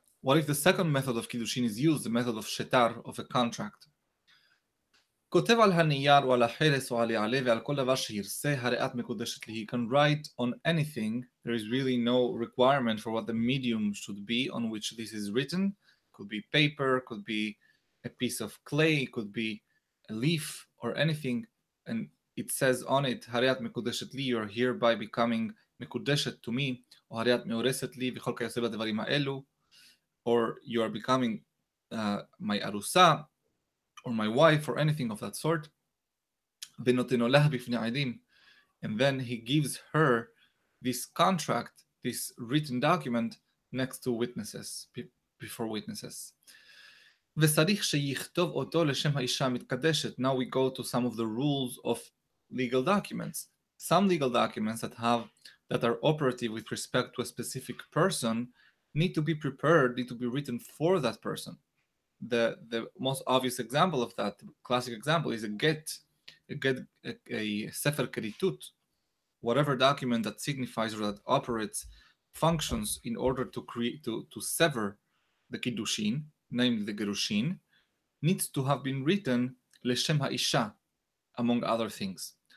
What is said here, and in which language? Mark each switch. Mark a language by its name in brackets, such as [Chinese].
[English] What if the second method of Kiddushin is used, the method of Shetar, of a contract? [Hebrew] כותב על הנייר ועל החרס ועל יעלה ועל כל דבר שירסה, הרי את מקודשת לי. [English] He can write on anything. There is really no requirement for what the medium should be on which this is written. Could be paper, could be a piece of clay, could be a leaf or anything. And it says on it, [Hebrew] הרי את מקודשת לי, [English] you are hereby becoming מקודשת to me, [Hebrew] או הרי את מאורסת לי וכל כיוצא בדברים האלו, [English] or you are becoming my ארוסה, or my wife, or anything of that sort. [Hebrew] ונותנו לה בפני עדים. [English] And then he gives her this contract, this written document, next to witnesses, before witnesses. [Hebrew] וצריך שיכתוב אותו לשם האישה המתקדשת. [English] Now we go to some of the rules of legal documents. Some legal documents that are operative with respect to a specific person need to be prepared, need to be written for that person. The most obvious example of that, classic example, is a sefer keritut, whatever document that signifies or that operates functions in order to create to sever the kiddushin, namely the gerushin, needs to have been written leshem ha'isha, among other things.